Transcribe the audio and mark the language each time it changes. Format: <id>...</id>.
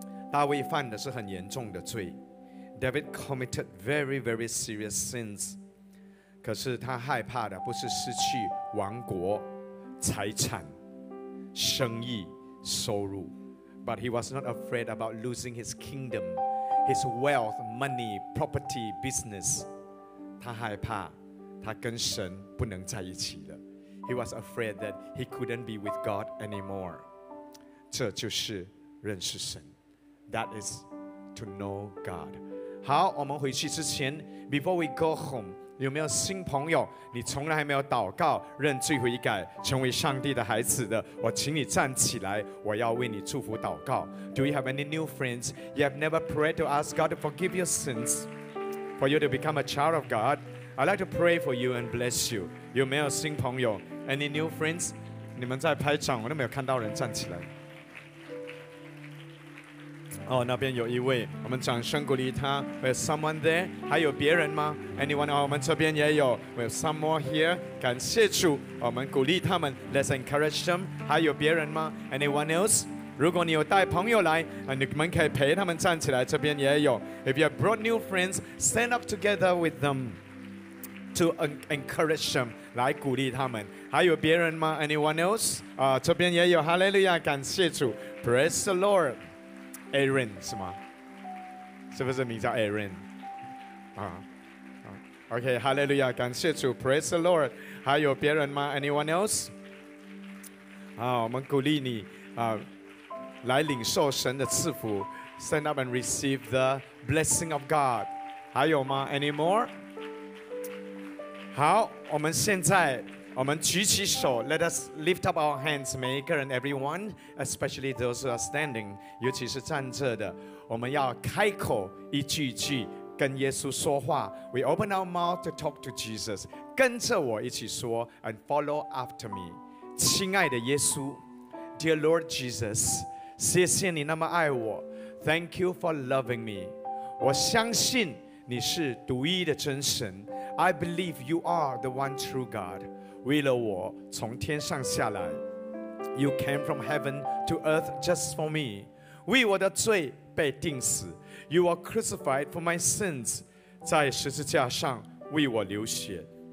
<zh>大卫犯的是很严重的罪。</zh> <en>David committed very, very serious sins.</en> <zh>可是他害怕的不是失去王国、财产、生意、收入。</zh> <en>But he was not afraid about losing his kingdom, his wealth, money, property, business.</en> <zh>他害怕他跟神不能在一起了。</zh> <en>He was afraid that he couldn't be with God anymore.</en> <zh>这就是认识神。</zh> <en>That is to know God.</en> <zh>好，我们回去之前，</zh> <en>Before we go home,</en> <zh>有没有新朋友你从来还没有祷告认罪悔改成为上帝的孩子的，我请你站起来，我要为你祝福祷告。</zh> <en>Do you have any new friends? You have never prayed to ask God to forgive your sins? For you to become a child of God, I'd like to pray for you and bless you.</en> <zh>有没有新朋友？</zh> <en>Any new friends?</en> <zh>你们在拍掌，我都没有看到人站起来。哦，那边有一位，我们掌声鼓励他。</zh> <en>We have someone there?</en> <zh>还有别人吗？</zh> <en>Anyone?</en> <zh>我们这边也有。</zh> <en>We have some more here.</en> <zh>感谢主，我们鼓励他们。</zh> <en>Let's encourage them.</en> <zh>还有别人吗？</zh> <en>Anyone else?</en> <zh>如果你有带朋友来，你们可以陪他们站起来，这边也有。</zh> <en>If you have brought new friends, stand up together with them to encourage them,</en> <zh>来鼓励他们。还有别人吗？</zh> <en>Anyone else?</en> <zh>这边也有。Hallelujah, 感谢主。</zh> <en>Praise the Lord.</en> <zh>Aaron, 是吗？是不是名叫 Aaron?</zh> <en>OK, Hallelujah,</en> <zh>感谢主。</zh> <en>Praise the Lord.</en> <zh>还有别人吗？</zh> <en>Anyone else?</en> <zh>我们鼓励你来领受神的赐福。</zh> <en>Stand up and receive the blessing of God.</en> <zh>还有吗？</zh> <en>Any more?</en> <zh>好，我们现在我们举起手。</zh> <en>Let us lift up our hands,</en> <zh>每一个人，</zh> <en>everyone, especially those who are standing,</en> <zh>尤其是站着的。我们要开口一句一句跟耶稣说话。</zh> <en>We open our mouth to talk to Jesus.</en> <zh>跟着我一起说，</zh> <en>and follow after me.</en> <zh>亲爱的耶稣，</zh> <en>Dear Lord Jesus,</en> <zh>谢谢你那么爱我。</zh> <en>Thank you for loving me.</en> <zh>我相信你是独一的真神。</zh> <en>I believe you are the one true God.</en> <zh>为了我从天上下来。</zh> <en>You came from heaven to earth just for me.</en> <zh>为我的罪被钉死。</zh> <en>You were crucified for my sins.</en> <zh>在十字架上为我流血。</zh>